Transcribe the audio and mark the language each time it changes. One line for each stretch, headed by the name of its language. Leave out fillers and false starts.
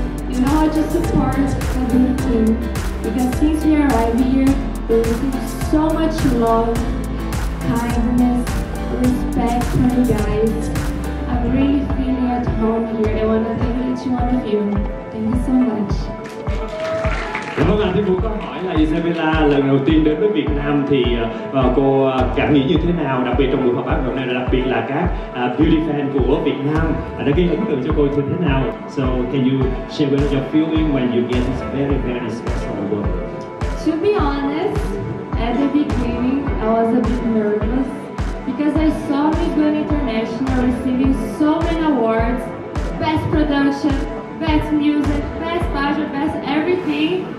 English: You know how to support a beauty queen. Because since we arrived here, we received so much love, kindness, respect from you guys. I'm really feeling at home here. I want to thank each one of you. Thank you so much.
Vietnamese: Cảm ơn anh. Thì cô có hỏi là Isabella lần đầu tiên đến với Việt Nam thì cô cảm nghĩ như thế nào, đặc biệt trong buổi họp báo hôm nay, đặc biệt là các beauty fan của Việt Nam đã gây ấn tượng cho cô như thế nào?
English: So can you share with your feeling when you get this very very special award? To be honest, at the beginning I was a bit nervous because I saw Miss Good International receiving so many awards, best production, best music, best fashion, best everything.